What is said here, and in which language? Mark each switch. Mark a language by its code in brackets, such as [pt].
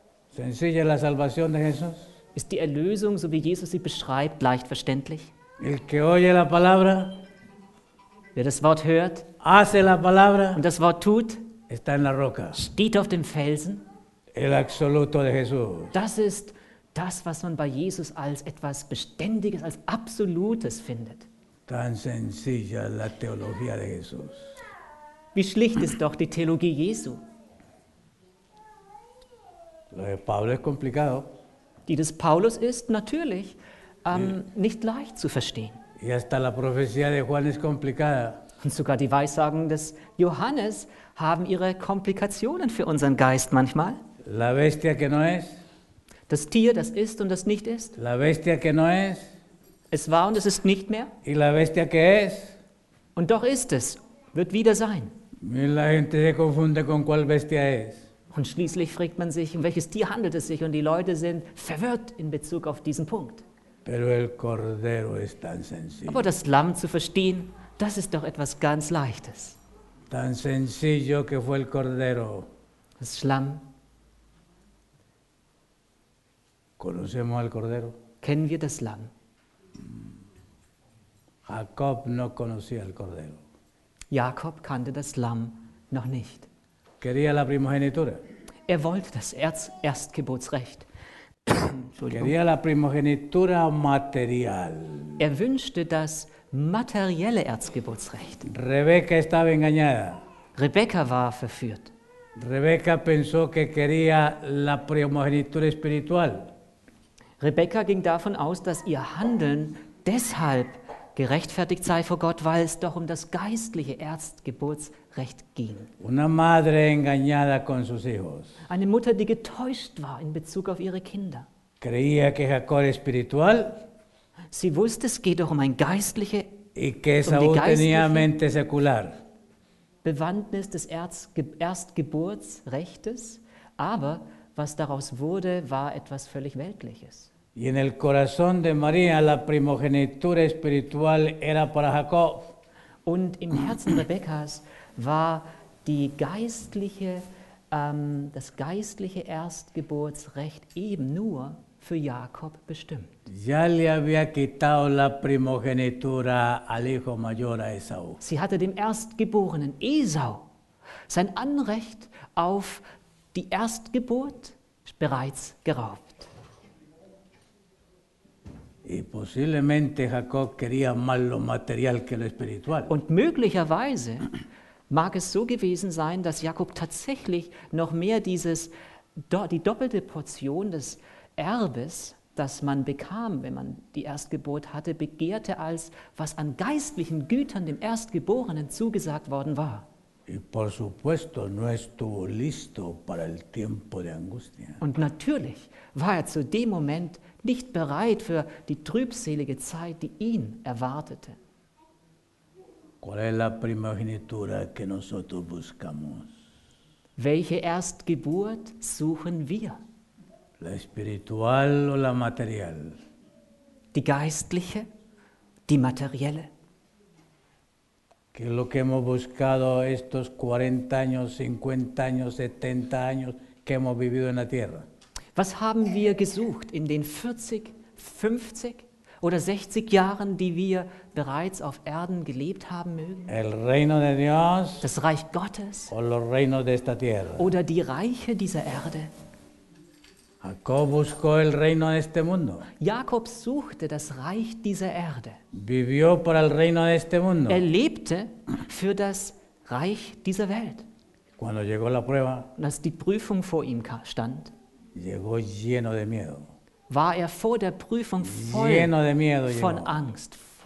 [es] Sencilla la salvación de Jesús. [de] Ist die Erlösung, so wie Jesus sie beschreibt, leicht verständlich? [es] El que oye la palabra, [de] wer das Wort hört, [es] hace la palabra, [de] und das Wort tut, [es] está en la roca, [de] steht auf dem Felsen. [es] El absoluto de Jesús. [de] Das ist das, was man bei Jesus als etwas Beständiges, als Absolutes findet. [es] Tan sencilla la teología de Jesús. [de] Wie schlicht ist doch die Theologie Jesu. [es] Lo de Pablo es complicado. [de] Die des Paulus ist natürlich nicht leicht zu verstehen. [es] Y hasta la profecía de Juan es complicada. [de] Und sogar die Weissagen des Johannes haben ihre Komplikationen für unseren Geist manchmal. [es] La bestia que no es. [de] Das Tier, das ist und das nicht ist. [es] La bestia que no es. [de] Es war und es ist nicht mehr. [es] Y la bestia que es. [de] Und doch ist es, wird wieder sein. [es] La gente se confunde con cuál bestia es. [de] Und schließlich fragt man sich, um welches Tier handelt es sich? Und die Leute sind verwirrt in Bezug auf diesen Punkt. [es] Pero el cordero es tan sencillo. [de] Aber das Lamm zu verstehen, das ist doch etwas ganz Leichtes. [es] Tan sencillo que fue el cordero. [de] Das Schlamm. [es] Conocemos al cordero. [de] Kennen wir das Lamm? [es] Jacob no conocía el cordero. [de] Jakob kannte das Lamm noch nicht. [es] Quería la primogenitura. [de] Er wollte das Erstgeburtsrecht. [es] Quería la primogenitura material. [de] Er wünschte das materielle Erstgeburtsrecht. [es] Rebeca estaba engañada. [de] Rebeca war verführt. [es] Rebeca pensó que quería la primogenitura espiritual. [de] Rebeca ging davon aus, dass ihr Handeln deshalb gerechtfertigt sei vor Gott, weil es doch um das geistliche Erstgeburtsrecht ging. [es] Una madre engañada con sus hijos. [de] Eine Mutter, die getäuscht war in Bezug auf ihre Kinder. [es] Creía que Jacob es espiritual. [de] Sie wusste, es geht doch um ein geistliche, [es] y que Esaú [de] um die geistliche [es] tenía mente secular. [de] Bewandtnis des Erstgeburtsrechtes, aber was daraus wurde, war etwas völlig Weltliches. [es] Y en el corazón de María la primogenitura espiritual era para Jacob. [de] Und im Herzen Rebekkas war die geistliche, das geistliche Erstgeburtsrecht eben nur für Jakob bestimmt. [es] Ya le había quitado la primogenitura al hijo mayor a Esaú. [de] Sie hatte dem Erstgeborenen Esau sein Anrecht auf die Erstgeburt bereits geraubt. [es] Y posiblemente Jacob quería más lo material que lo espiritual. [de] Und möglicherweise mag es so gewesen sein, dass Jakob tatsächlich noch mehr die doppelte Portion des Erbes, das man bekam, wenn man die Erstgeburt hatte, begehrte als was an geistlichen Gütern dem Erstgeborenen zugesagt worden war. [es] Y por supuesto no estuvo listo para el tiempo de angustia. [de] Und natürlich war er zu dem Moment nicht bereit für die trübselige Zeit, die ihn erwartete. [es] ¿Cuál es la primogenitura que nosotros buscamos? [de] Welche Erstgeburt suchen wir? [es] La espiritual o la material? [de] Die geistliche, die materielle. [es] ¿Qué es lo que hemos buscado estos 40 años, 50 años, 70 años que hemos vivido en la tierra? [de] Was haben wir gesucht in den 40, 50 oder 60 Jahren, die wir bereits auf Erden gelebt haben mögen? [es] El reino de Dios, [de] das Reich Gottes [es] o los reinos de esta tierra. [de] Oder die Reiche dieser Erde? [es] Jacob buscó el reino de este mundo. [de] Jakob suchte das Reich dieser Erde. [es] Vivió para el reino de este mundo. [de] Er lebte für das Reich dieser Welt. [es] Cuando llegó la prueba, [de] als die Prüfung vor ihm stand, [es] llegó lleno de miedo. [de] War er vor der Prüfung voller Angst.